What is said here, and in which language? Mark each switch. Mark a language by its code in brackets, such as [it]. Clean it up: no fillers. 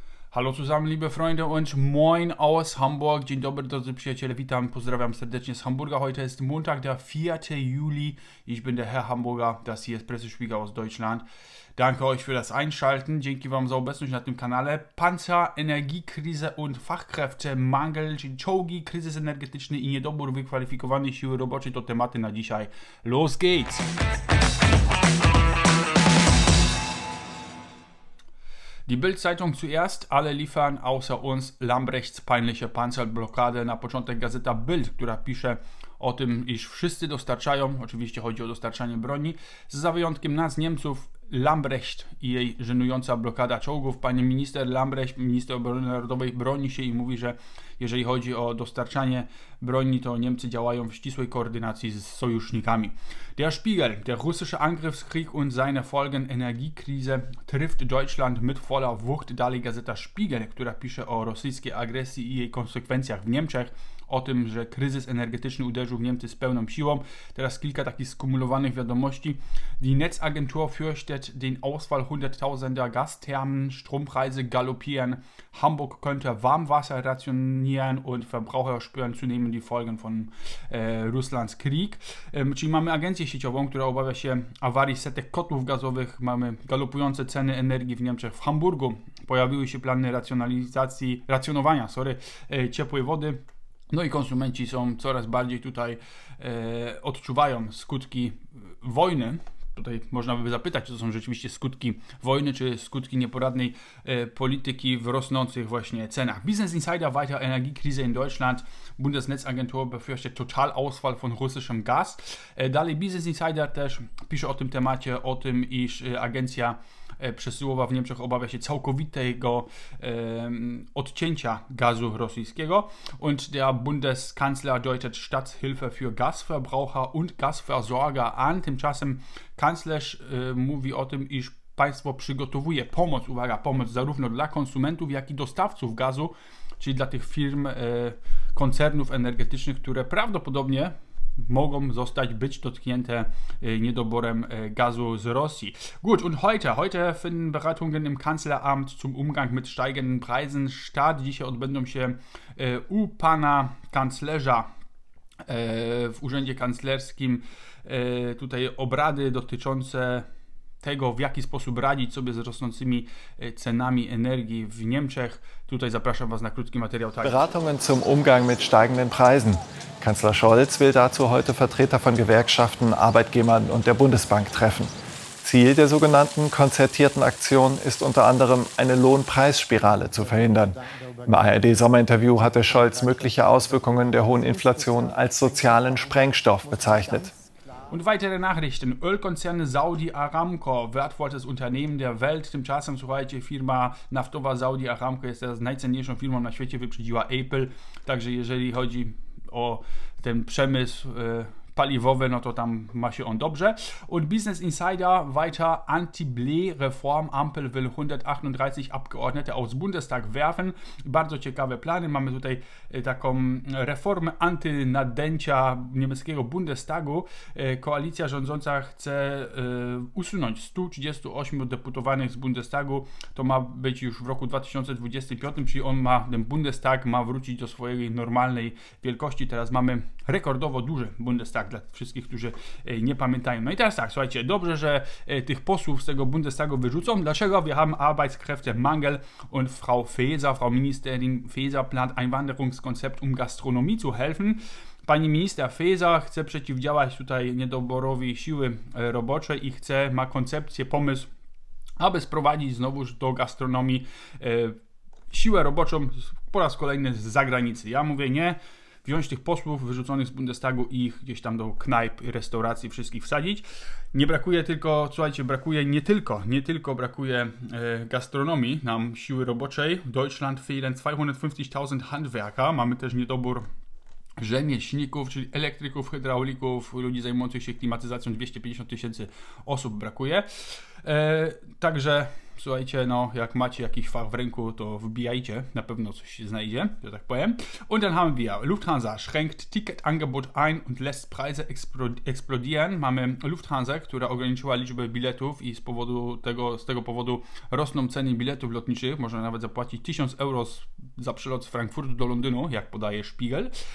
[de] Hallo zusammen, liebe Freunde und moin aus Hamburg. [pl] Dzień dobry, drodzy przyjaciele, witam, pozdrawiam serdecznie z Hamburga. [de] Heute ist Montag, der 4. Juli. Ich bin der Herr Hamburger, das hier ist Pressespiegel aus Deutschland. Danke euch für das Einschalten. [pl] Dzięki wam za obecność na tym kanale. [de] Panzer, Energiekrise und Fachkräftemangel, [pl] czołgi, kryzys energetyczny i niedobór wykwalifikowanej siły roboczej to tematy na dzisiaj. [de] Los geht's! Die Bild-Zeitung zuerst, alle liefern außer uns Lambrechts peinliche Panzerblockade. [pl] Na początek gazeta Bild, która pisze o tym, iż wszyscy dostarczają, oczywiście chodzi o dostarczanie broni, za wyjątkiem nas, Niemców, Lambrecht i jej żenująca blokada czołgów. Panie minister Lambrecht, minister obrony narodowej, broni się i mówi, że jeżeli chodzi o dostarczanie broni, to Niemcy działają w ścisłej koordynacji z sojusznikami. [de] Der Spiegel. Der russische Angriffskrieg und seine Folgen Energiekrise trifft Deutschland mit voller Wucht. [pl] Dalej gazeta Spiegel, która pisze o rosyjskiej agresji i jej konsekwencjach w Niemczech, o tym, że kryzys energetyczny uderzył w Niemcy z pełną siłą. Teraz kilka takich skumulowanych wiadomości. [de] Die Netzagentur fürchtet den Ausfall hunderttausender Gasthermen. Strompreise galoppieren. Hamburg könnte Warmwasser rationieren und Verbraucher spüren zunehmend die Folgen von Russlands Krieg. [pl] Czyli mamy agencję sieciową, która obawia się awarii setek kotłów gazowych. Mamy galopujące ceny energii w Niemczech. W Hamburgu pojawiły się plany racjonowania ciepłej wody. No i konsumenci są coraz bardziej tutaj, odczuwają skutki wojny. Tutaj można by zapytać, czy to są rzeczywiście skutki wojny, czy skutki nieporadnej polityki w rosnących właśnie cenach. [de] Business Insider weiter Energiekrise in Deutschland. Bundesnetzagentur befürchtet Totalausfall von russischem Gas. [pl] Dalej Business Insider też pisze o tym temacie, o tym, iż agencja przesyłowa w Niemczech obawia się całkowitego odcięcia gazu rosyjskiego. [de] Und der Bundeskanzler deutet Staatshilfe für Gasverbraucher und Gasversorger an. [pl] Tymczasem kanclerz mówi o tym, iż państwo przygotowuje pomoc, uwaga, pomoc zarówno dla konsumentów, jak i dostawców gazu, czyli dla tych firm, koncernów energetycznych, które prawdopodobnie mogą zostać być dotknięte niedoborem gazu z Rosji. [de] Gut, und heute finden Beratungen im Kanzleramt zum Umgang mit steigenden Preisen statt. [pl] Dzisiaj odbędą się u pana kanclerza w urzędzie kanclerskim tutaj obrady dotyczące tego, w jaki sposób radzić sobie z rosnącymi cenami energii w Niemczech. Tutaj zapraszam was na krótki materiał. Tak. [de] Beratungen zum Umgang mit steigenden Preisen. Kanzler Scholz will dazu heute Vertreter von Gewerkschaften, Arbeitgebern und der Bundesbank treffen. Ziel der sogenannten konzertierten Aktion ist unter anderem, eine Lohnpreisspirale zu verhindern. Im ARD-Sommerinterview hatte Scholz mögliche Auswirkungen der hohen Inflation als sozialen Sprengstoff bezeichnet. Und weitere Nachrichten. Ölkonzerne Saudi Aramco, wertvolles Unternehmen der Welt. [pl] Tymczasem, słuchajcie, firma naftowa Saudi Aramco jest teraz najcenniejszą firmą na świecie, wyprzedziła Apple. Także jeżeli chodzi o ten przemysł paliwowy, no to tam ma się on dobrze. [de] Und Business Insider weiter Anti-Blee-Reform. Ampel will 138 Abgeordnete aus Bundestag werfen. [pl] Bardzo ciekawe plany. Mamy tutaj taką reformę antynadęcia niemieckiego Bundestagu. Koalicja rządząca chce usunąć 138 deputowanych z Bundestagu. To ma być już w roku 2025, czyli ten Bundestag ma wrócić do swojej normalnej wielkości. Teraz mamy rekordowo duży Bundestag. Dla wszystkich, którzy nie pamiętają. No i teraz tak, słuchajcie, dobrze, że tych posłów z tego Bundestagu wyrzucą. Dlaczego? [de] Wir haben Arbeitskräftemangel und Frau Faeser, Frau Ministerin Faeser plant Einwanderungskonzept, um Gastronomie zu helfen. [pl] Pani minister Faeser chce przeciwdziałać tutaj niedoborowi siły roboczej i chce, ma koncepcję, pomysł, aby sprowadzić znowuż do gastronomii siłę roboczą po raz kolejny z zagranicy. Ja mówię nie. Wziąć tych posłów wyrzuconych z Bundestagu i ich gdzieś tam do knajp i restauracji wszystkich wsadzić. Nie brakuje tylko, słuchajcie, brakuje nie tylko brakuje gastronomii nam siły roboczej. [de] Deutschland fehlen 250.000 Handwerker. [pl] Mamy też niedobór rzemieślników, czyli elektryków, hydraulików, ludzi zajmujących się klimatyzacją, 250 tysięcy osób brakuje. Także słuchajcie, no, jak macie jakiś fach w rynku, to wbijajcie, na pewno coś się znajdzie, że tak powiem. [de] Und dann haben wir Lufthansa schränkt Ticketangebot ein und lässt Preise explodieren. [pl] Mamy Lufthansa, która ograniczyła liczbę biletów i z tego powodu rosną ceny biletów lotniczych. Można nawet zapłacić 1000 euro za przelot z Frankfurtu do Londynu, jak podaje Spiegel.